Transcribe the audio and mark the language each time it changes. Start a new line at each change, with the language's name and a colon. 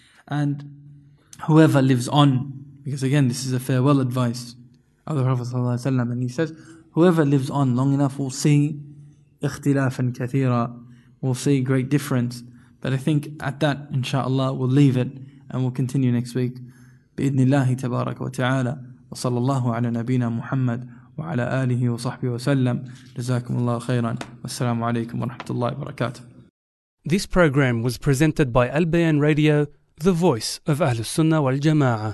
English: And whoever lives on, because again, this is a farewell advice of the Prophet sallallahu alayhi wa sallam. And he says, whoever lives on long enough will see
Arabic: اخْتِلَافًا كَثِيرًا,
English: will see great difference. But I think at that, inshallah, we'll leave it and we'll continue next week.
Arabic: بإذن الله تبارك وتعالى وصلى الله على نبينا محمد وعلى آله وصحبه وسلم. جزاكم الله خيرا والسلام عليكم ورحمة الله وبركاته.
English: This program was presented by Al Bayan Radio, the voice of Ahlus Sunnah wal Jama'ah.